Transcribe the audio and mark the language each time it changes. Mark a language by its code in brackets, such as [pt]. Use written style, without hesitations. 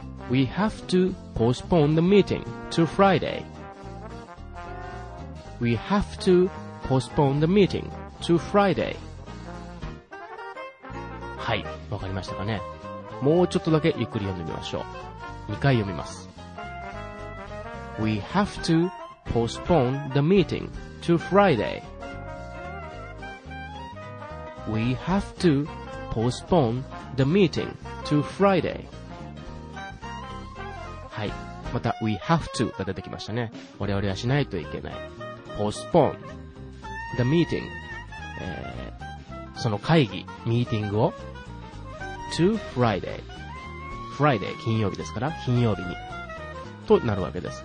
[en] We have to postpone the meeting to Friday. We have to postpone the meeting to Friday. [ja] はい、わかりましたかね。もうちょっとだけゆっくり読んでみましょう。 2回読みます。 [en] We have to postpone the meeting to Friday. We have to postpone the meeting to Friday. [ja] はい、また [en] We have to [ja] が出てきましたね。我々はしないといけない。 [en] Postpone the meeting、 [ja] その会議、ミーティングを [en] To Friday。 [ja] Friday、 金曜日ですから、金曜日にとなるわけです。